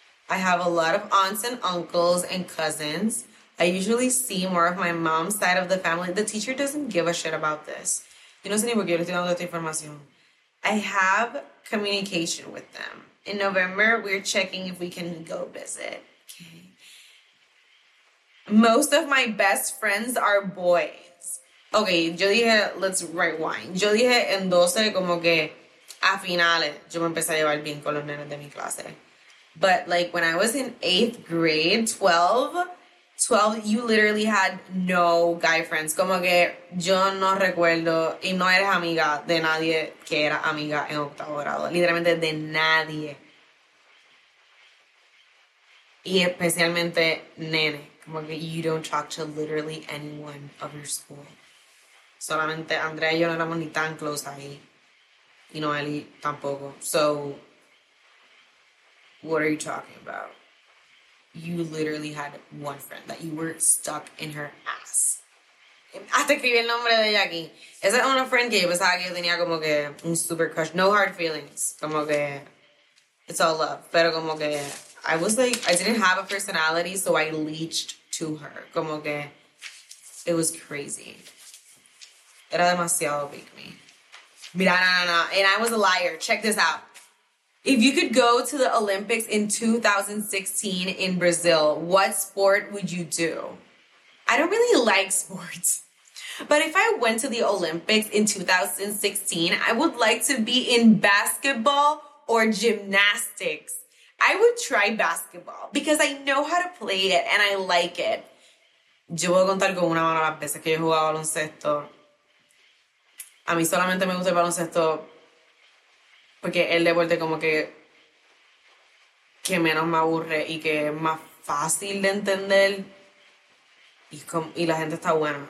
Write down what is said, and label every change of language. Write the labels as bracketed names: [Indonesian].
[English] I have a lot of aunts and uncles and cousins. I usually see more of my mom's side of the family. The teacher doesn't give a shit about this. [Spanish] Yo no sé ni por qué yo le estoy dando esta información. [English] I have communication with them. In November, we're checking if we can go visit. Okay. Most of my best friends are boys. Okay, [Spanish] yo dije, [English] let's rewind. [Spanish] Yo dije en 12 como que a finales yo me empecé a llevar bien con los nenes de mi clase. [English] But like when I was in 8th grade, 12, you literally had no guy friends. [Spanish] Como que yo no recuerdo y no eres amiga de nadie que era amiga en octavo grado. Literalmente de nadie. Y especialmente nene. Como que [English] you don't talk to literally anyone of your school. [Spanish] Solamente Andrea y yo no éramos ni tan close ahí. Y Noeli tampoco. [English] So, what are you talking about? You literally had one friend that you were stuck in her ass. [Spanish] Hasta escribí el nombre de ella aquí. Esa es una friend que yo pensaba que yo tenía como que un super crush. [English] No hard feelings. [Spanish] Como que [English] it's all love. [Spanish] Pero como que [English] I was like, I didn't have a personality, so I leached to her. [Spanish] Como que [English] it was crazy. [Spanish] Era demasiado [English] big me. [Spanish] Mira, no. [English] And I was a liar. Check this out. If you could go to the Olympics in 2016 in Brazil, what sport would you do? I don't really like sports. But if I went to the Olympics in 2016, I would like to be in basketball or gymnastics. I would try basketball because I know how to play it and I like it. [Spanish] yo puedo contar con una mano las veces que yo he jugado baloncesto. A mí solamente me gusta el baloncesto porque el deporte como que menos me aburre y que es más fácil de entender y la gente está buena.